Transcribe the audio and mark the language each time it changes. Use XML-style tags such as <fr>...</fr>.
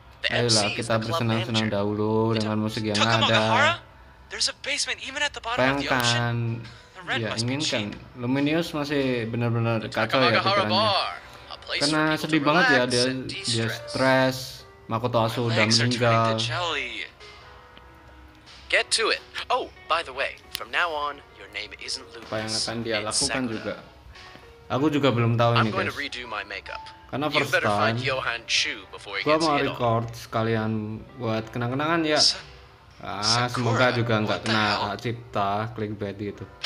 <id>Ayolah, kita bersenang-senang dahulu dengan musik yang ada.</id> <en>There's a basement even at the bottom of the ocean.</en> <id>Ya, inginkan. Luminous masih benar-benar kacau ya pikirannya. Karena sedih banget ya, dia stres. Makoto Aso udah meninggal.</id> <en>Get to it. Oh, by the way, from now on, your name isn't Luminous.</en> <id>Apa yang akan dia lakukan juga? Aku juga belum tahu ini, guys. Karena first time, gua mau record sekalian buat kenang-kenangan ya. Ah, semoga juga nggak kena cipta clickbait gitu.</id>